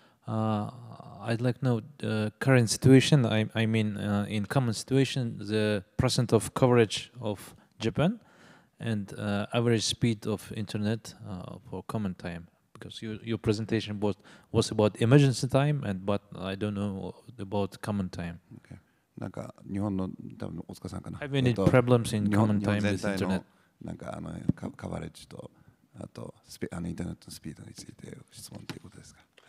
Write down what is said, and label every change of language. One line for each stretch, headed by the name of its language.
English: I'd like to know the current situation, I mean, in common situation, the percent of coverage of Japan and average speed of internet for common time, because your presentation was about emergency time, but I don't know about common time. Okay.
Japanese: なんか日本の多分大塚さんかな。
English: Having any problems in common time with internet?
Japanese: なんかカバレッジとあとインターネットのスピードについて質問ということですか。